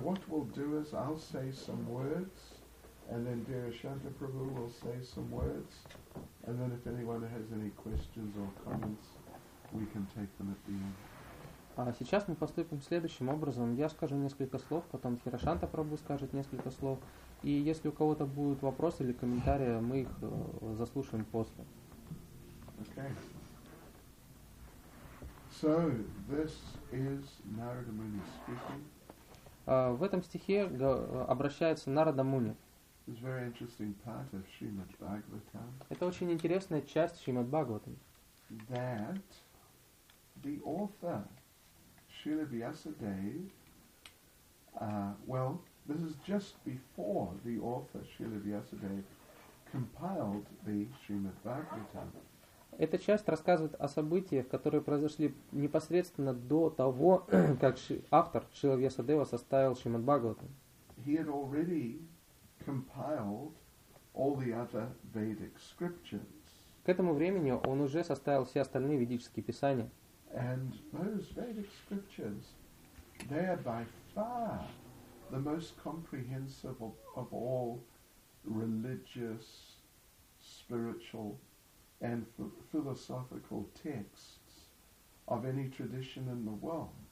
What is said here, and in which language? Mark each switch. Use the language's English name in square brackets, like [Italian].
[English] will do is I'll say some words, and then Dera Shanta Prabhu will say some words, and then if anyone has any questions or comments, we can take them at the end. [Russian] Сейчас мы поступим следующим образом. Я скажу несколько слов, потом Дера Шанта Прабху скажет несколько слов, и если у кого-то будут вопросы или комментарии, мы их заслушаем после. [English] Okay. So this is Narada Muni speaking. [Russian] В этом стихе обращается Нарада Муни. [English] It's a very interesting part of Srimad Bhagavatam. [Russian] Это очень интересная часть Шримад Бхагаватам. [English] That the author Srila Vyasadeva, well, this is just before the author Srila Vyasadeva compiled the Srimad Bhagavatam. [Russian] Эта часть рассказывает о событиях, которые произошли непосредственно до того, как автор Шрила Вьясадева составил Шримад Бхагаватам. [English] He had already compiled all the other Vedic scriptures. [Russian] К этому времени он уже составил все остальные ведические писания. [English] And those Vedic scriptures, they are by far the most comprehensive of all religious, spiritual and philosophical texts of any tradition in the world.